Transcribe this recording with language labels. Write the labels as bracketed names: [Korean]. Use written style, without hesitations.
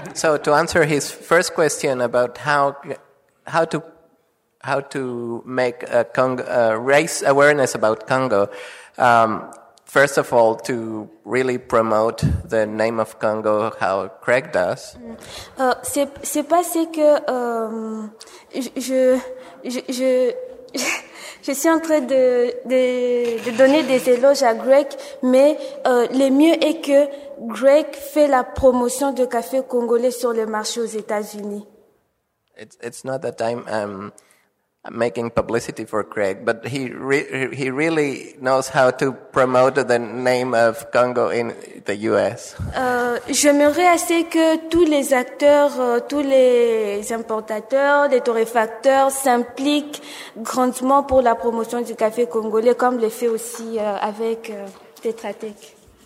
[English] So to answer his first question about how to make a raise awareness about Congo, first of all, to really promote the name of Congo, how Craig does. [French] C'est pas c'est que je suis en train de donner des éloges à Greg, mais le mieux est que Greg fait la promotion de café congolais sur le marché aux États-Unis. [English] It's not that I'm making publicity for Craig, but he really knows how to promote the name of Congo in the US. [French] J'aimerais assez que tous les acteurs, tous les importateurs, les torréfacteurs s'impliquent grandement pour la promotion du café congolais, comme le fait aussi avec Tetra Tech.